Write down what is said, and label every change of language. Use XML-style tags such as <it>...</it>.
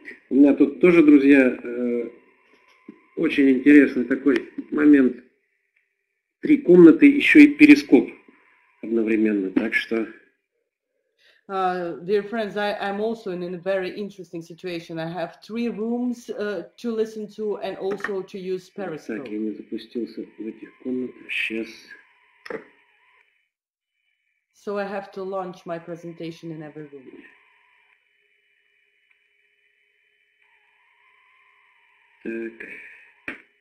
<ru>У меня тут тоже, друзья, очень интересный такой момент. Три комнаты, еще и перископ. Одновременно, так что.</ru> <en>Dear friends, I'm also in a very interesting situation. I have three rooms to listen to and also to use Periscope.</en> <ru>Так, я не запустился в этих комнатах. Сейчас.</ru> <en>So I have to launch my presentation in every room.</en> <ru>Так.</ru>